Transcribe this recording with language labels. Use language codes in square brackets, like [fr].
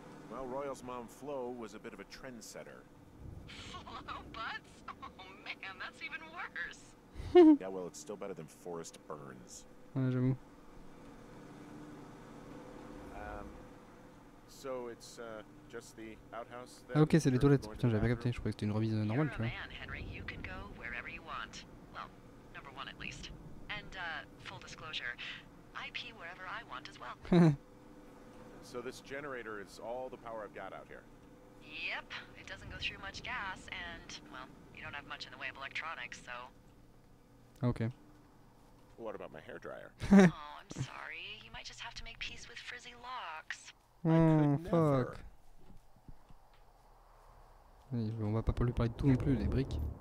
[en] Well, Royal's mom, Flo, was a bit of a trendsetter. Flo Butts? Oh man, that's even worse. Yeah, well, it's still better than Forrest Burns. [fr] Ouais, j'avoue. [en] So it's just the outhouse then. [fr] Ah ok, c'est les toilettes. Putain, j'avais pas capté. Je croyais que c'était une remise normale, tu vois. [en] You're a man, Henry. You can go wherever you want. Well, number one at least. And full disclosure, I pee wherever I want as well. So this generator is all the power I've got out here. Yep, it doesn't go through much gas, and well, you don't have much in the way of electronics, so. Okay. What about my hair dryer? Oh, I'm sorry. You might just have to make peace with frizzy locks. Fuck. [fr] On va pas lui parler de tout non plus, les briques.